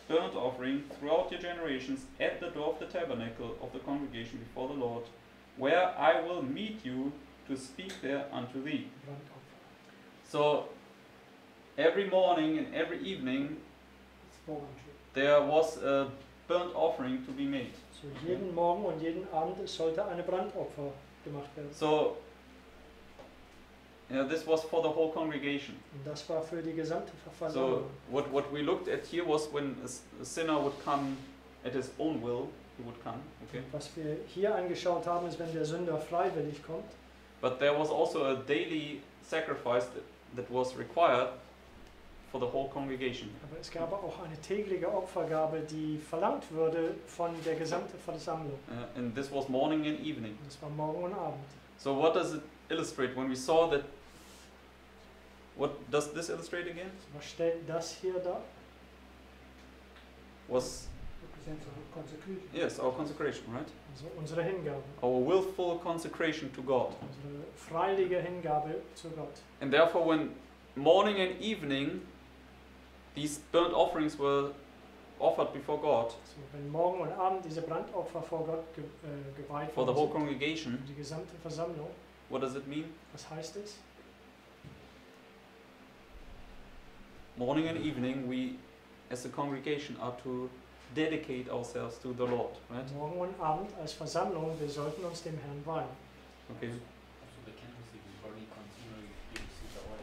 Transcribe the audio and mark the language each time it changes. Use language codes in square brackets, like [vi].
[en] Burnt offering throughout your generations at the door of the tabernacle of the congregation before the Lord, where I will meet you to speak there unto thee. So every morning and every evening there was a burnt offering to be made. [de] So jeden Morgen und jeden Abend sollte eine Brandopfer gemacht werden. [en] So yeah, this was for the whole congregation. [de] Und das war für die gesamte Versammlung. [en] So what we looked at here was when a sinner would come at his own will, he would come. Okay. [de] Was wir hier angeschaut haben, ist, wenn der Sünder freiwillig kommt. [en] But there was also a daily sacrifice that was required for the whole congregation. [de] Aber es gab auch eine tägliche Opfergabe, die verlangt wurde von der gesamten Versammlung. [en] And this was morning and evening. [de] Das war Morgen und Abend. [en] So what does it illustrate when we saw that? What does this illustrate again? [de] Was stellt das hier dar? Was [en] represents our consecration. Yes, our consecration, right? [de] Also unsere Hingabe. [en] Our willful consecration to God. [de] Unsere freiwillige Hingabe zu Gott. [en] And therefore, when morning and evening these burnt offerings were offered before God. [de] So, wenn Morgen und Abend diese Brandopfer vor Gott geweiht [en] for the whole congregation. [de] Die gesamte Versammlung. [en] What does it mean? [de] Was heißt es? [en] Morning and evening, we, as a congregation, are to dedicate ourselves to the Lord, right? [de] Morgen und Abend als Versammlung, wir sollten uns dem Herrn weihen. [en] Okay. So the candlestick is already continually being seen the way.